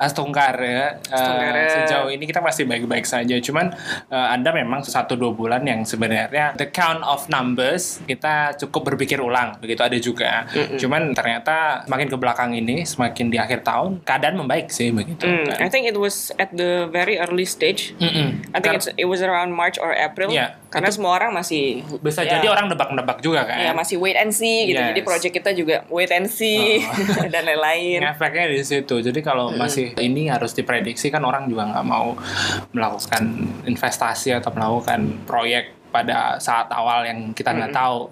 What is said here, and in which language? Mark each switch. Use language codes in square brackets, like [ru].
[id] Astungkar ya, sejauh ini kita masih baik-baik saja. Cuman ada memang 1-2 bulan yang sebenarnya [en] the count of numbers [id] kita cukup berpikir ulang begitu, ada juga. Cuman ternyata semakin ke belakang ini semakin di akhir tahun keadaan membaik sih begitu. [en] I think it was at the very early stage. I think it was around March or April. Yeah. [id] Karena itu, semua orang masih bisa jadi orang nebak-nebak juga kan. Iya, masih [en] wait and see [id] gitu. Yes. Jadi project kita juga wait and see dan lain-lain. Efeknya di situ. Jadi kalau masih ini harus diprediksi kan orang juga enggak mau melakukan investasi atau melakukan proyek pada saat awal yang kita nggak tahu.